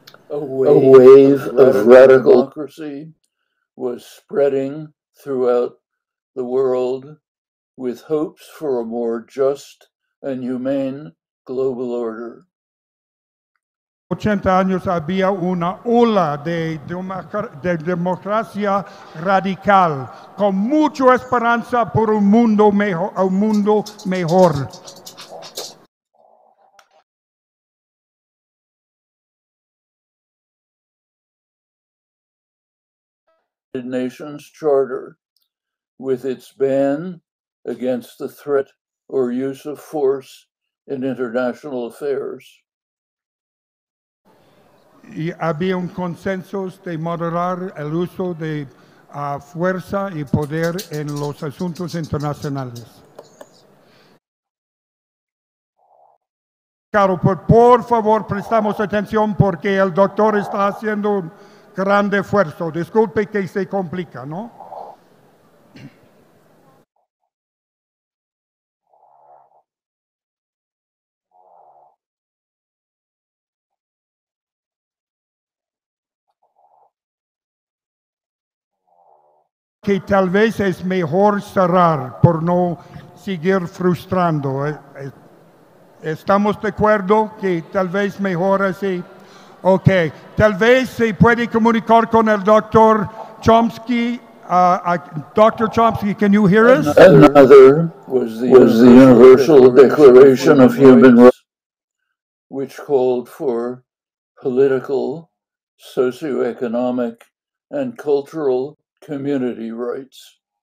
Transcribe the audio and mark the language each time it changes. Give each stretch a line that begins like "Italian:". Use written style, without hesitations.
English: A wave of radical democracy was spreading throughout the world with hopes for a more just and humane global order.
Spanish: 80 años había una ola de democracia radical con mucha esperanza por un mundo mejor.
English: United Nations Charter, with its ban against the threat or use of force in international affairs.
Spanish: Y había un consenso de moderar el uso de fuerza y poder en los asuntos internacionales. Claro, por favor, prestamos atención porque el doctor está haciendo un gran esfuerzo. Disculpe que se complica, ¿no? Que tal vez es mejor cerrar por no seguir frustrando. ¿Estamos de acuerdo que tal vez mejor así? Ok, tal vez se puede comunicar con el doctor Chomsky.
English: Dr. Chomsky, can you hear us? Another was the Universal Declaration of Human Rights, which called for political, socioeconomic, and cultural community rights.